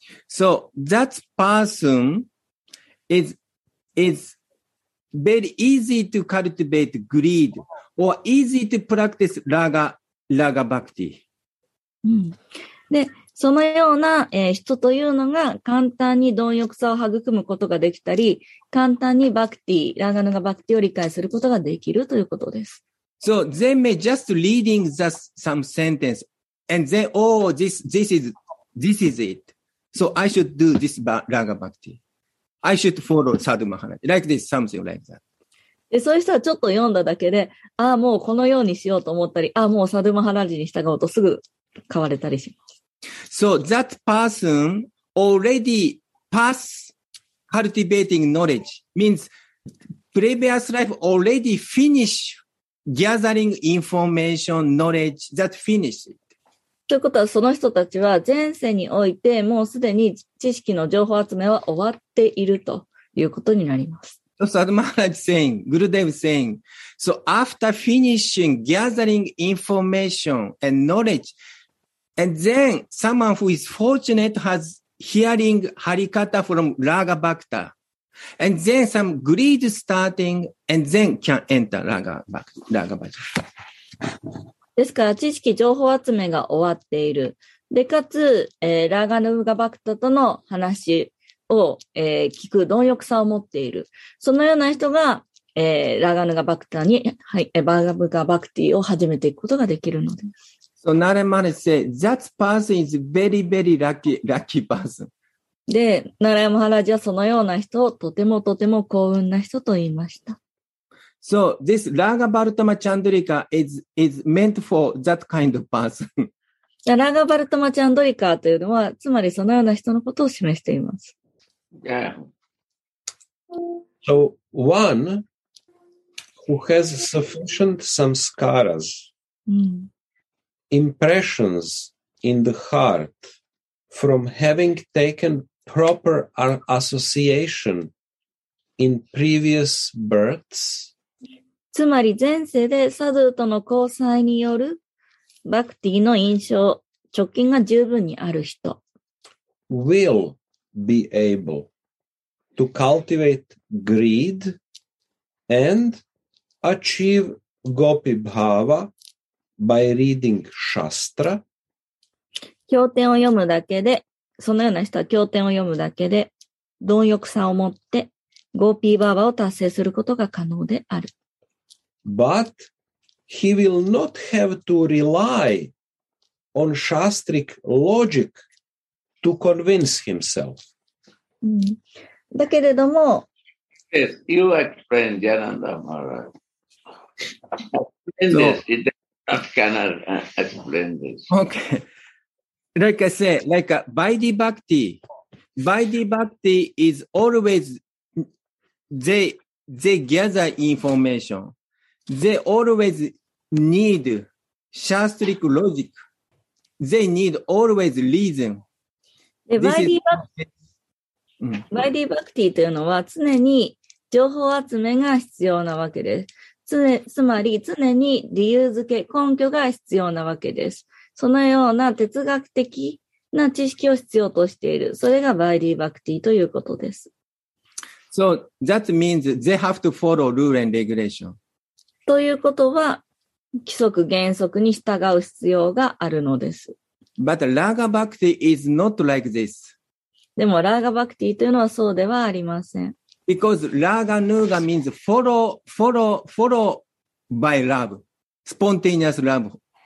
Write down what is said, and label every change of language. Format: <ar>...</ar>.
<en>So that person is very easy to cultivate greed or easy to practice raga bhakti.</en> <ja>で、そのような、人というのが簡単に貪欲さを育むことができたり、簡単にバクティ、ラガヌガバクティを理解することができるということです。</ja> <en>So, they may just reading the some sentence, and then, oh, this is it. So, I should do this Raga Bhakti. I should follow Sadhu Maharaj. Like this, something like that.</en> <ja>そういう人はちょっと読んだだけで、ああ、もうこのようにしようと思ったり、ああ、もうSadhu Maharajに従おうとすぐ変われたりします。</ja> <en>So that person already pass cultivating knowledge means previous life already finish gathering information, knowledge that finished.</en> <ja>ということはその人たちは前世においてもうすでに知識の情報集めは終わっているということになります。</ja> <en>So Sadhu Maharaj saying, Gurudev saying, so after finishing gathering information and knowledge,And then someone who is fortunate has hearing Harikata from Raga Bhakta. And then some greed starting and then can enter Raga Bhakta.</en> <ja>ですから知識情報集めが終わっている。で、かつ、ラガヌーガバクタとの話を、聞く貪欲さを持っている。そのような人が、ラガヌーガバクタに、はい、バーガブガバクティを始めていくことができるのです。</ja> <en>So Narayamani said, that person is very, very lucky person.</en> <ja>で、Narayamaharaj はそのような人をとてもとても幸運な人と言いました。</ja> <en>So this Raga Bhartama Chandrika is meant for that kind of person.</en> <ja>Raga Bhartama Chandrika というのは、つまりそのような人のことを示しています。</ja> <en>Yeah. So one who has sufficient samskaras. Impressions in the heart from having taken proper association in previous births.</en> <ja>つまり前世でサドゥとの交際によるバクティの印象、直近が十分にある人。</ja> <en>Will be able to cultivate greed and achieve gopi bhava. By reading Shastra.</en> <ja>経典を読むだけで、そのような人は経典を読むだけで、貪欲さを持ってゴーピーバーバを達成することが可能である。</ja> <en>But he will not have to rely on Shastric logic to convince himself.</en> <ja>だけれども、</ja> <en>Yes, you explain, Jananda Maharaj. Explain so, this. It does not cannot explain this. Okay. Like I say, like a Vaidhi Bhakti. Vaidhi Bhakti is always they gather information. They always need Shastric logic. They need always reason.</en> <ja>Vaidhi Bhakti というのは常に情報集めが必要なわけです。つまり常に理由付け、根拠が必要なわけです。そのような哲学的な知識を必要としている。それがバイディバクティということです。</ja> <en>So that means they have to follow rule and regulation.</en> <ja>ということは規則原則に従う必要があるのです。</ja> <en>But Raga Bhakti is not like this.</en> <ja>でもラーガバクティというのはそうではありません。</ja> <en>Because Raga Nuga means follow by love, spontaneous love.</en>